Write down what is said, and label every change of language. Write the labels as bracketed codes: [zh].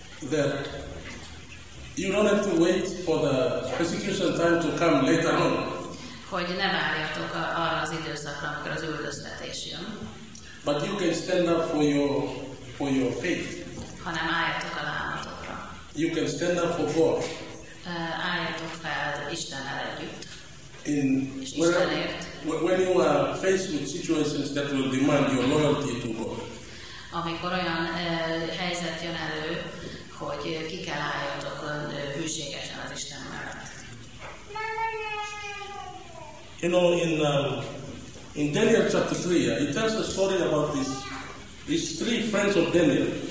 [en] That you don't have to wait for the persecution time to come later on. [hu] Hogy ne várjatok arra az időszakra, amikor az üldöztetés jön. [en] But you can stand up for your faith. [hu] Hanem álljatok a lámatokra. [en] You can stand up for God. [hu] Álljatok fel Istennel együtt. [en] In [hu] Istenért. [en] When you are faced with situations that will demand your loyalty to God. [hu] Amikor olyan helyzet jön elő, hogy ki kell álljatok hűségesen az Isten mellett. [en] You know, in Daniel chapter 3, it tells a story about these three friends of Daniel.